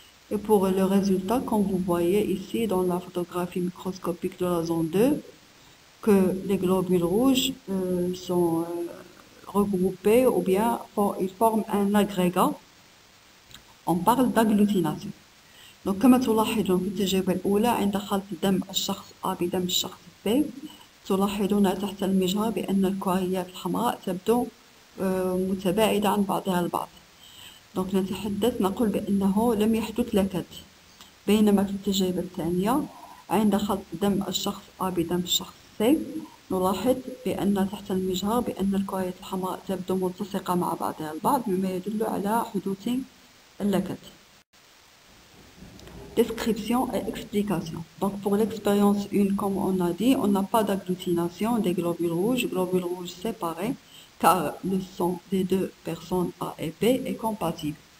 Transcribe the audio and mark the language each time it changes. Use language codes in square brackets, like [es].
[fr] Et pour le résultat, comme vous voyez ici dans la photographie microscopique de la zone 2, que les globules rouges sont regroupés ou bien ils forment un agrégat, on parle d'agglutination. Donc, comme tu l'as dit, dans l'étude [ar] الأولى, عند خلط دم الشخص A بدم الشخص B, تلاحظون تحت المجهر بأن الكريات الحمراء تبدو متباعدة عن بعضها البعض. دونك نتحدث نقول بأنه لم يحدث لكد. بينما في التجربة الثانية عند خلط دم الشخص A بدم الشخص C, نلاحظ بأن تحت المجهر بأن الكريات الحمراء تبدو متسقة مع بعضها البعض مما يدل على حدوث اللكد. [fr] Description et explication. Donc pour l'expérience 1, comme on a dit, on n'a pas d'agglutination des globules rouges séparés, car le sang des deux personnes A et B est compatible.